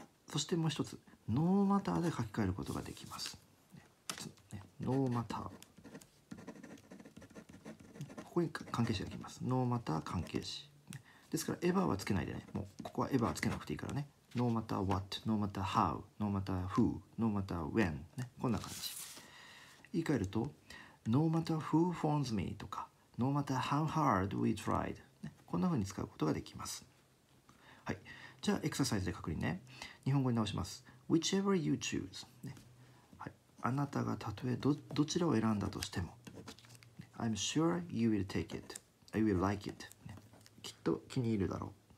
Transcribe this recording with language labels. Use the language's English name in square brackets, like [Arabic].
[Japanese] そしてもう一つ、ノーマターで書き換えることができます。ノーマター、ここに関係詞が来ます。ノーマター関係詞ですから、エヴァはつけないでね、もうここはエヴァはつけなくていいからね。 [English] No matter what, no matter how, no matter who, no matter when、 [Japanese] ね、こんな感じ。言い換えると [English] No matter who phones me [Japanese] とか [English] No matter how hard we tried、 [Japanese] ね、こんな風に使うことができます。はい、じゃあエクササイズで確認ね。日本語に直します。 [English] Whichever you choose、 [Japanese] ね、はい、あなたがたとえ どちらを選んだとしても [English] I'm sure you will take it I will like it、 [Japanese] ね、きっと気に入るだろう。